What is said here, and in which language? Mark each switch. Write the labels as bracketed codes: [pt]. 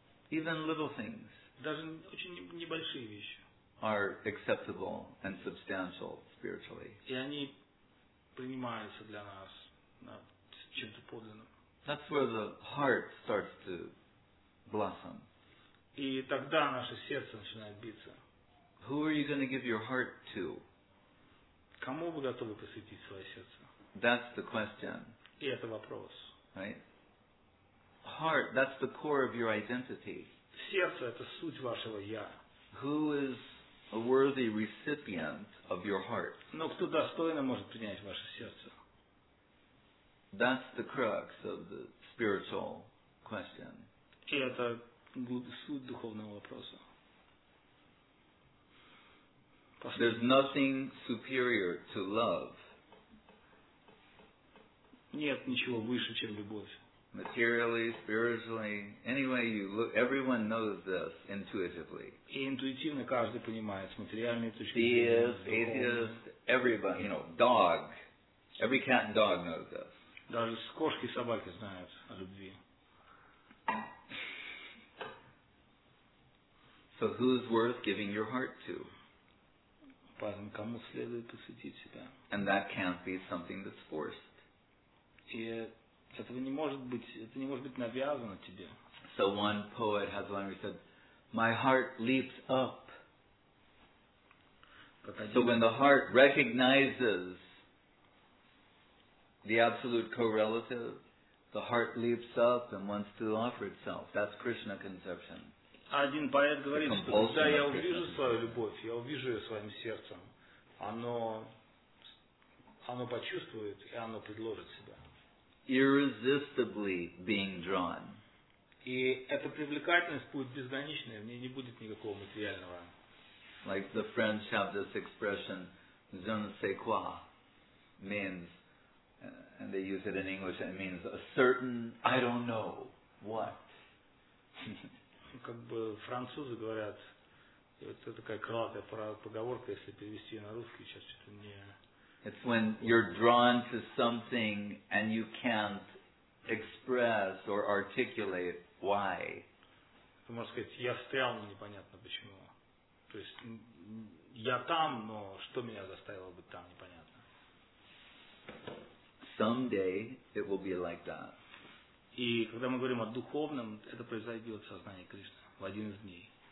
[ru] Даже очень небольшие вещи. [en] Are acceptable and substantial spiritually. [ru] И они принимаются для нас. Чем-то подлинным. [en] That's where the heart starts to blossom. [ru] И тогда наше сердце начинает биться. [en] Who are you going to give your heart to? [ru] Кому вы готовы посвятить свое сердце? [en] That's the question. [ru] И это вопрос. [en] Right? Heart, that's the core of your identity. [ru] Сердце – это суть вашего «я». [en] Who is a worthy recipient of your heart? [ru] Но кто достойно может принять ваше сердце? [en] That's the crux of the spiritual question. [ru] И это суть духовного вопроса. [en] There's nothing superior to love. [ru] Нет ничего выше, чем любовь. [en] Materially, spiritually, anyway you look, everyone knows this intuitively. [ru] И интуитивно каждый понимает, с материальной точки зрения. [en] Theist, atheist, everybody, you know, dog, every cat and dog knows this. [ru] Даже кошки и собаки знают о любви. [en] So who's worth giving your heart to? [ru] Поэтому кому следует посвятить себя? [en] And that can't be something that's forced. [ru] И этого не может быть, это не может быть навязано тебе. [en] So one poet has one who said, "My heart leaps up." So when the heart recognizes the absolute correlative, the heart leaps up and wants to offer itself. That's Krishna conception. [ru] Один поэт говорит, что когда я увижу свою любовь, я увижу ее своим сердцем, оно почувствует и оно предложит себя. [en] Irresistibly being drawn. [ru] И эта привлекательность будет безграничной, в ней не будет никакого материального. [en] Like the French have this expression, [fr] je ne sais quoi, [en] means, and they use it in English, it means a certain, I don't know, what. [ru] Как бы французы говорят, это такая крылатая поговорка, если перевести на русский, сейчас что-то не... [en] It's when you're drawn to something and you can't express or articulate why. [ru] Ты можешь сказать, я встрял, но непонятно почему. То есть, я там, но что меня заставило быть там, непонятно. [en] Someday it will be like that. [ru] И когда мы говорим о духовном, это произойдет в сознании Кришны в один из дней.